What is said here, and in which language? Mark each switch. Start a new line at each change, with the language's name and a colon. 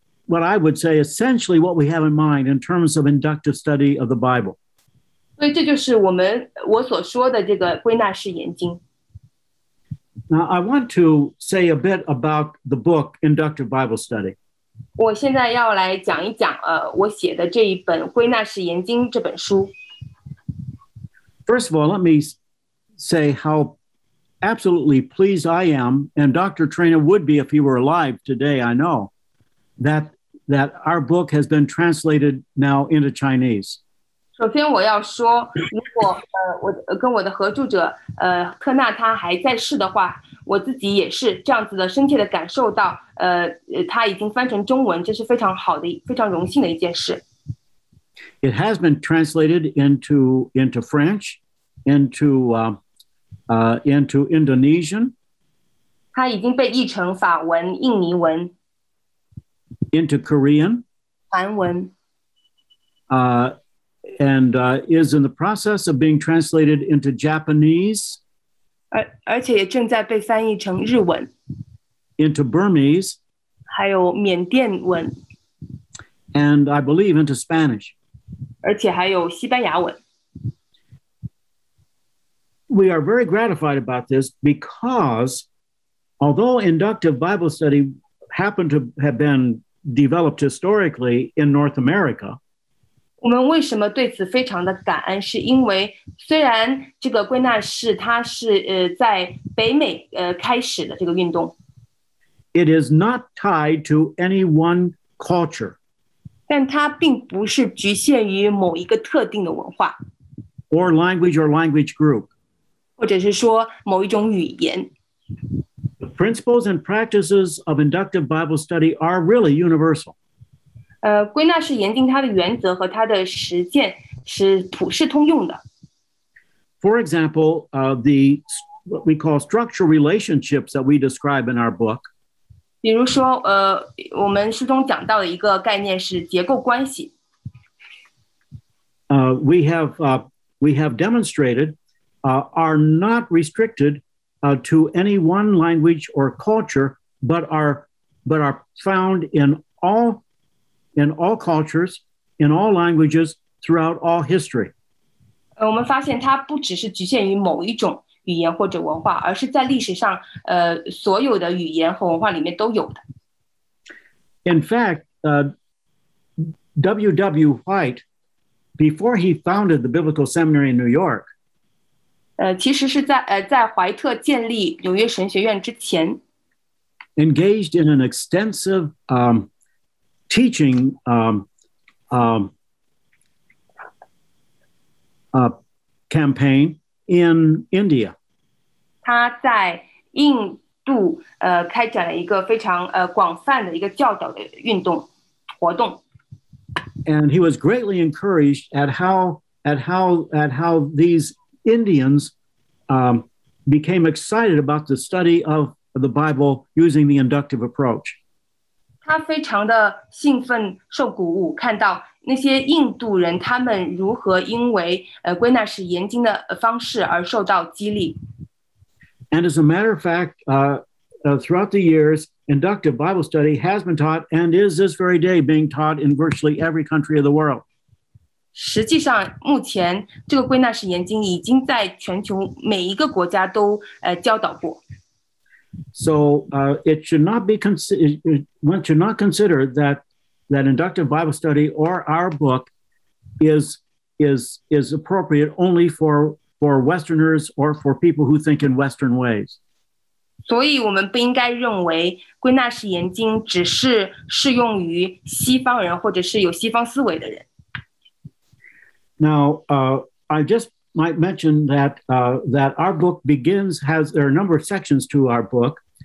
English: What I would say essentially what we have in mind in terms of inductive study of the Bible.
Chinese: 所以这就是我所说的这个归纳式研经。
English: Now I want to say a bit about the book Inductive Bible Study.
Chinese: 我现在要来讲一讲我写的这一本归纳式研经这本书。
English: First of all, let me say how absolutely pleased I am, and Dr. Trainer would be if he were alive today, I know. That our book has been translated now into Chinese.
Chinese: 首先我要说，如果我跟我的合著者科纳他还在世的话，我自己也是这样子的，深切的感受到他已经翻成中文，这是非常好的、非常荣幸的一件事。
English: It has been translated into French, into into Indonesian.
Chinese: 它已经被译成法文、印尼文。
English: Into Korean.
Chinese: 韩文。
English: Is in the process of being translated into Japanese.
Chinese: 而且也正在被翻译成日文。
English: Into Burmese.
Chinese: 还有缅甸文。
English: And I believe into Spanish.
Chinese: 而且还有西班牙文。
English: We are very gratified about this because although inductive Bible study happened to have been developed historically in North America,
Chinese: 我们为什么对此非常的感恩，是因为虽然这个归纳式它是在北美开始的这个运动，
English: it is not tied to any one culture.
Chinese: 但它并不是局限于某一个特定的文化，
English: or language or language group.
Chinese: 或者是说某一种语言。
English: The principles and practices of inductive Bible study are really universal.
Chinese: 归纳式研经它的原则和它的实践是普世通用的。
English: For example, the what we call structural relationships that we describe in our book.
Chinese: 比如说，我们书中讲到的一个概念是结构关系。
English: We have demonstrated. Are not restricted to any one language or culture, but are found in all cultures, in all languages, throughout all history.
Chinese: 我们发现它不只是局限于某一种语言或者文化，而是在历史上所有的语言和文化里面都有的。
English: In fact, W.W. White, before he founded the Biblical Seminary in New York,
Chinese: 其实是在怀特建立纽约神学院之前
English: engaged in an extensive teaching campaign in India.
Chinese: 他在印度开展了一个非常广泛的一个教导的运动活动。
English: And he was greatly encouraged at how these Indians. Became excited about the study of the Bible using the inductive approach.
Chinese: 他非常的兴奋受鼓舞，看到那些印度人他们如何因为归纳式研经的方式而受到激励。
English: And as a matter of fact, throughout the years, inductive Bible study has been taught and is this very day being taught in virtually every country of the world.
Chinese: 实际上目前这个归纳式研经已经在全球每一个国家都教导过。
English: So, it should not be one should not consider that inductive Bible study or our book is appropriate only for Westerners or for people who think in Western ways.
Chinese: 所以我们不应该认为归纳式研经只是适用于西方人或者是有西方思维的人。
English: Now, I just might mention that our book begins, there are a number of sections to our book.